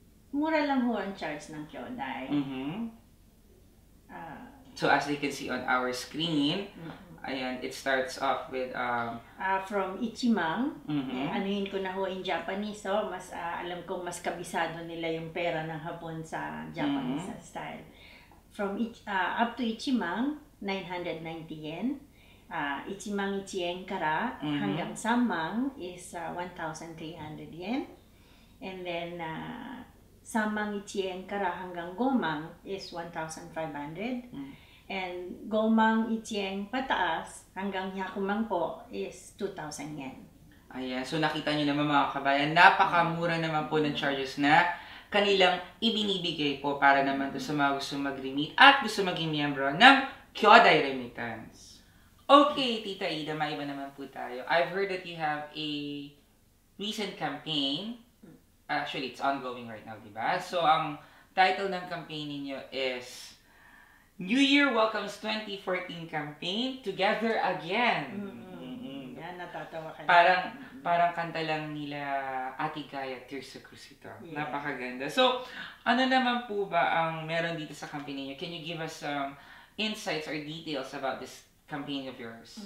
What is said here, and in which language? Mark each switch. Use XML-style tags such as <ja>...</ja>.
<tl>Mura lang ho ang charge ng Hyundai.</tl> <en>So as you can see on our screen, ayan, it starts off with</en> <tl>From Ichimang. Anuhin ko na ho in Japanese, so mas alam ko mas kabisado nila yung pera ng Hapon sa Japanese style.</tl> <en>From up to Ichimang, 990 yen.</en> <tl>Ichimang Ichien kara hanggang Sammang is 1300 yen. And then Samang Ichien kara hanggang Gomang is 1,500. And Gomang Ichien pataas hanggang Yakumang po is 2,000 yen. Ayan. So nakita nyo naman mga kabayan, napakamura naman po ng charges na kanilang ibinibigay po para naman sa mga gusto mag-remit at gusto maging miyembro ng Kyodai Remittance. Okay, Tita Ida, maiba naman po tayo.</tl> <en>I've heard that you have a recent campaign. Actually, it's ongoing right now, diba? So,</en> <tl>ang title ng campaign ninyo</tl> <en>is New Year Welcomes 2014 Campaign Together Again.</en> <tl>Yan, natatawa ka. Parang kanta lang nila Ate Gaya, Tirsa Crucito. Yeah. Napakaganda. So, ano naman po ba ang meron dito sa campaign ninyo?</tl> <en>Can you give us some insights or details about this campaign of yours?</en>